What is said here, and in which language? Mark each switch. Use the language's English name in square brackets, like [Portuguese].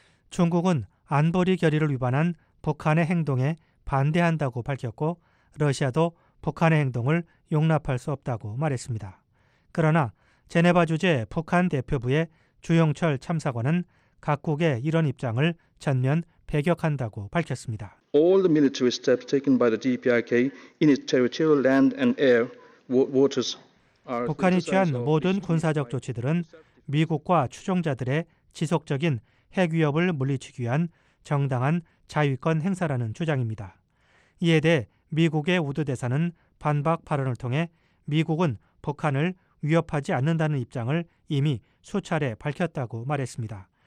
[Korean] 중국은 안보리 결의를 위반한 북한의 행동에 반대한다고 밝혔고 러시아도 북한의 행동을 용납할 수 없다고 말했습니다. 그러나 제네바 주재 북한 대표부의 주영철 참사관은 각국의 이런 입장을 전면 배격한다고 밝혔습니다. [English] All the military steps taken by the DPRK in its territorial land and air waters are [Korean] 북한이 취한 모든 군사적 조치들은 미국과 추종자들의 지속적인 핵 위협을 물리치기 위한 정당한 자위권 행사라는 주장입니다. 이에 대해 미국의 우드 대사는 반박 발언을 통해 미국은 북한을 위협하지 않는다는 입장을 이미 수차례 밝혔다고 말했습니다.